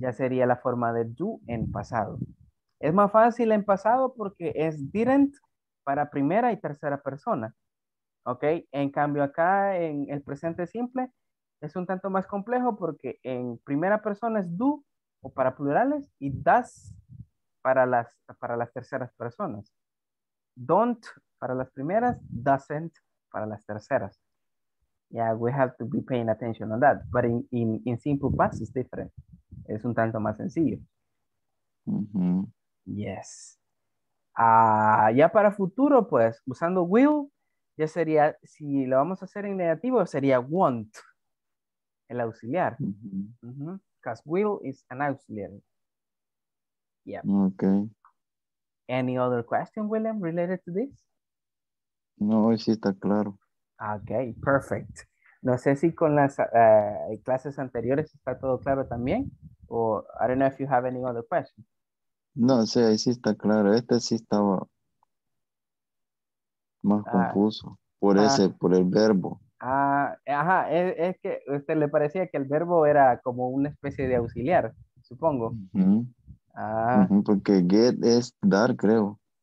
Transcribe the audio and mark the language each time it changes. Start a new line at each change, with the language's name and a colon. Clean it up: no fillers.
Spanish: Ya sería la forma de do en pasado. Es más fácil en pasado porque es didn't para primera y tercera persona. ¿Ok? En cambio acá en el presente simple es un tanto más complejo porque en primera persona es do o para plurales y does para las terceras personas. Don't para las primeras, doesn't para las terceras.
English: Yeah, we have to be paying attention on that. But in simple past it's different.
Spanish: Es un tanto más sencillo. Mm-hmm.
English: Yes.
Spanish: Ya para futuro, pues, usando will, ya sería, si lo vamos a hacer en negativo, sería want, el auxiliar.
English: Because mm-hmm. Will is an auxiliary. Yeah. Okay. Any other question, William, related to this?
Spanish: No. No, hoy sí está claro.
English: Ok, perfect.
Spanish: No sé si con las clases anteriores está todo claro también.
English: O I don't know if you have any other questions.
Spanish: No, sí, ahí sí está claro. Este sí estaba más confuso por ese, por el verbo. Ajá, es que a usted le parecía que el verbo era como una especie de auxiliar, supongo. Uh-huh. Porque get es dar, creo.